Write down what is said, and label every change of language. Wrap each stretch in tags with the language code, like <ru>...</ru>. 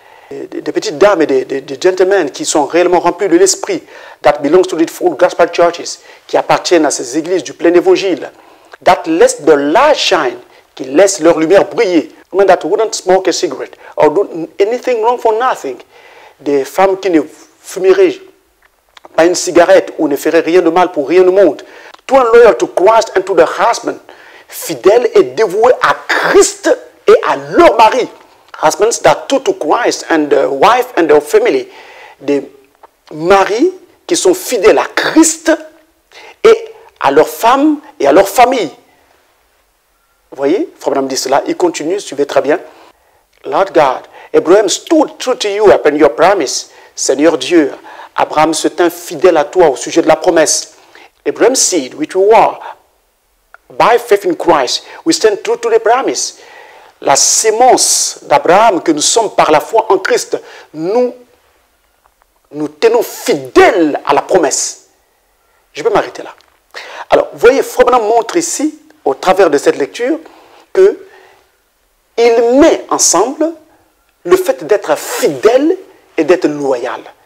<fr>Des petites dames et des gentlemen qui sont réellement remplis de l'esprit,</fr> <en>that belongs to the full gospel churches,</en> <fr>qui appartiennent à ces églises du plein évangile,</fr> <en>that let the light shine,</en> <fr>qui laissent leur lumière briller,</fr> <en>men that wouldn't smoke a cigarette or do anything wrong for nothing,</en> <fr>des femmes qui ne fumeraient pas une cigarette ou ne feraient rien de mal pour rien au monde,</fr> <en>to a loyal to Christ and to the husband,</en> <fr>fidèle et dévoué à Christ et à leur mari.</fr> <en>Husbands that true to Christ and the wife and their family.</en> <fr>Des maris qui sont fidèles à Christ et à leur femme et à leur famille. Vous voyez, Frère Branham dit cela, il continue, suivez très bien.</fr> <en>Lord God, Abraham stood true to you upon your promise.</en> <fr>Seigneur Dieu, Abraham se tint fidèle à toi au sujet de la promesse.</fr> <en>Abraham's seed, which we were by faith in Christ, we stand true to the promise.</en> <fr>La semence d'Abraham que nous sommes par la foi en Christ, nous tenons fidèles à la promesse. Je peux m'arrêter là. Alors, vous voyez, Frère Branham montre ici, au travers de cette lecture, que il met ensemble le fait d'être fidèle et d'être loyal.</fr>